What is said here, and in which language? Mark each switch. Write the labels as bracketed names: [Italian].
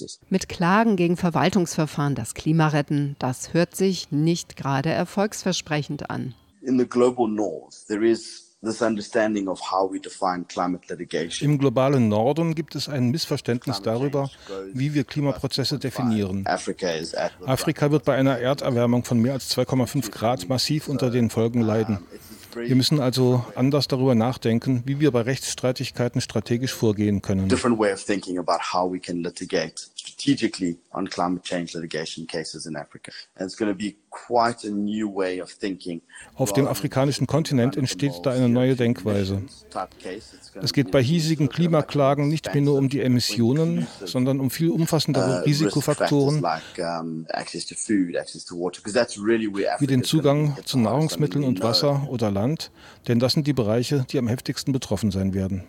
[German] Mit Klagen gegen Verwaltungsverfahren das Klima retten, das hört sich nicht gerade erfolgsversprechend an. [English] In the global north, there is this understanding of how we define climate litigation. [German] Im globalen Norden gibt es ein Missverständnis darüber, wie wir Klimaprozesse definieren. Afrika wird bei einer Erderwärmung von mehr als 2,5 Grad massiv unter den Folgen leiden. Wir müssen also anders darüber nachdenken, wie wir bei Rechtsstreitigkeiten strategisch vorgehen können. [English] Different way of thinking about how we can litigate strategically on climate change litigation cases in Africa. And it's going to be quite a new way of thinking. [German] Auf dem afrikanischen Kontinent entsteht da eine neue Denkweise. Es geht bei hiesigen Klimaklagen nicht mehr nur um die Emissionen, sondern um viel umfassendere Risikofaktoren, wie den Zugang zu Nahrungsmitteln und Wasser oder Land, denn das sind die Bereiche, die am heftigsten betroffen sein werden.